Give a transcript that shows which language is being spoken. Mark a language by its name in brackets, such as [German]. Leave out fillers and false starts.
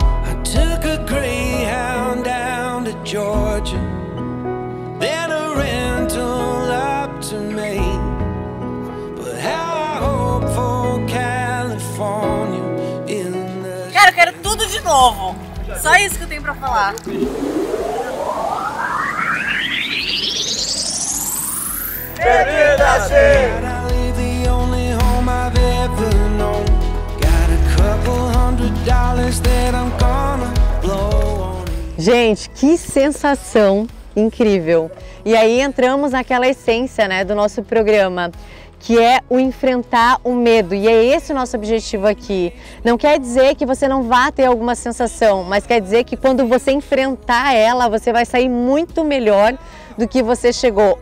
[English] I took a greyhound down to Georgia, then a rental up to Maine. But how I hope for California in the... [Portuguese] Cara, eu quero tudo de novo. Só isso que eu tenho pra falar. [English] Gotta leave the only home I've ever known. Got a couple hundred dollars that I'm gonna blow on. [Portuguese] Gente, que sensação incrível! E aí entramos naquela essência, né, do nosso programa, que é o enfrentar o medo. E é esse o nosso objetivo aqui. Não quer dizer que você não vá ter alguma sensação, mas quer dizer que quando você enfrentar ela, você vai sair muito melhor do que você chegou.